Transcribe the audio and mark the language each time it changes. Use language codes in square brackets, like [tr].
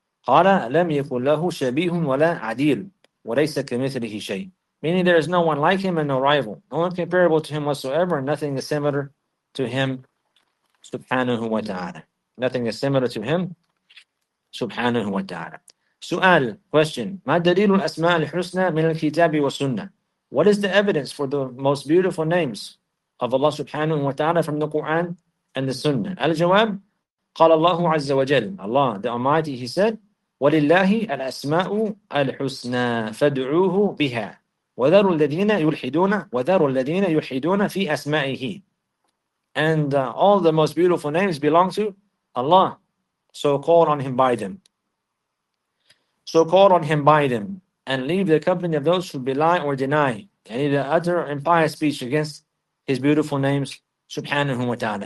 [ar] قَالَ لَمْ يَكُنْ لَهُ شَبِيهٌ وَلَا عَدِيلٌ وَلَيْسَ كَمِثْلِهِ شَيْءٌ. [en] Meaning there is no one like him and no rival, no one comparable to him whatsoever, and nothing is similar to him, subhanahu wa ta'ala. Nothing is similar to him, subhanahu wa ta'ala. [ar] سؤال, [en] question, [ar] ما دليل الأسماء الحسنى من الكتاب والسنة. [en] What is the evidence for the most beautiful names of Allah subhanahu wa ta'ala from the Quran and the Sunnah? [ar] الجواب, قال الله عز وجل, [en] Allah the Almighty, he said, [ar] ولله الأسماء الحسنى فدعوه بها وذروا الذين يلحدون وذروا الذين يلحدون في أسمائه. [en] And all the most beautiful names belong to Allah, so call on him by them. So call on him by them, and leave the company of those who belie or deny any of the utter impious speech against his beautiful names, subhanahu wa ta'ala.